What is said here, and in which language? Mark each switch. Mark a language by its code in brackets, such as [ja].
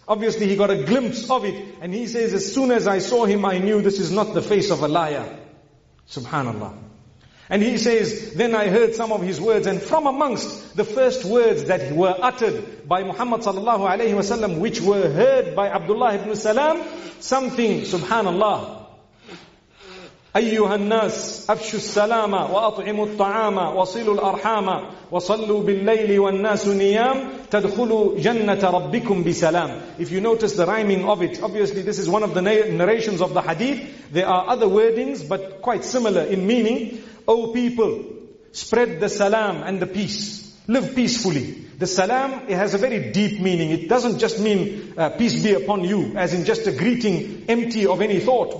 [en] Obviously he got a glimpse of it. And he says, as soon as I saw him, I knew this is not the face of a liar. Subhanallah. And he says, then I heard some of his words, and from amongst the first words that were uttered by Muhammad sallallahu alaihi wasallam, which were heard by Abdullah ibn Salam, something, subhanallah. [ar] أيها الناس أفشوا السلامة وأطعموا الطعام وصلوا الأرحام وصلوا بالليل والناس نيام تدخلوا جنة ربكم بسلام. [en] If you notice the rhyming of it, obviously this is one of the narrations of the hadith. There are other wordings, but quite similar in meaning. O people, spread the salam and the peace. Live peacefully. The salam, it has a very deep meaning. It doesn't just mean peace be upon you, as in just a greeting empty of any thought.